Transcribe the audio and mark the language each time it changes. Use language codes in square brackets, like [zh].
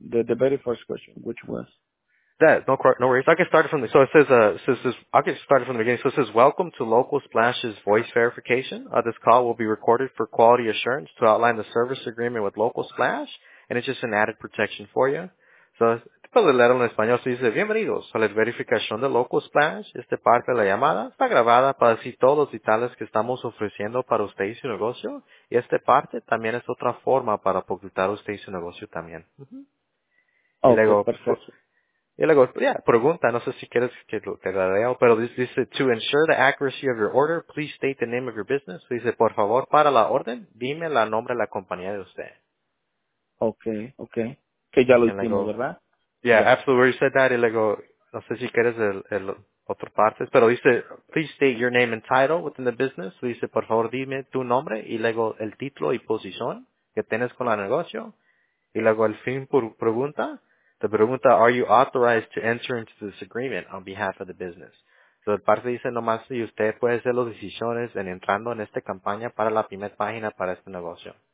[en] The very first question, which was? No worries. I can start from the beginning. So it says, welcome to Local Splash's voice verification. This call will be recorded for quality assurance to outline the service agreement with Local Splash, and it's just an added protection for you. [es] So para leerlo en español, se dice, bienvenidos a la verificación de Local Splash. Esta parte de la llamada está grabada para decir todos los detalles que estamos ofreciendo para usted y su negocio. Y esta parte también es otra forma para publicitar usted y su negocio también. [en] Mm-hmm. Okay, [es] luego, perfecto. Y luego, pregunta, no sé si quieres que te la leo, pero dice, [en] to ensure the accuracy of your order, please state the name of your business. [es] Dice, por favor, para la orden, dime la nombre de la compañía de usted. Okay. Que ya lo hicimos, ¿verdad? [en] Yeah, absolutely. You said that. [es] Y luego, no sé si quieres el otro parte, pero dice, [en] please state your name and title within the business. [es] Dice, por favor, dime tu nombre y luego el título y posición que tienes con el negocio. Y luego, al fin, pregunta. [en] The pregunta, are you authorized to enter into this agreement on behalf of the business? [es] So, el parte dice, nomás si usted puede hacer las decisiones en entrando en esta campaña para la primera página para este negocio.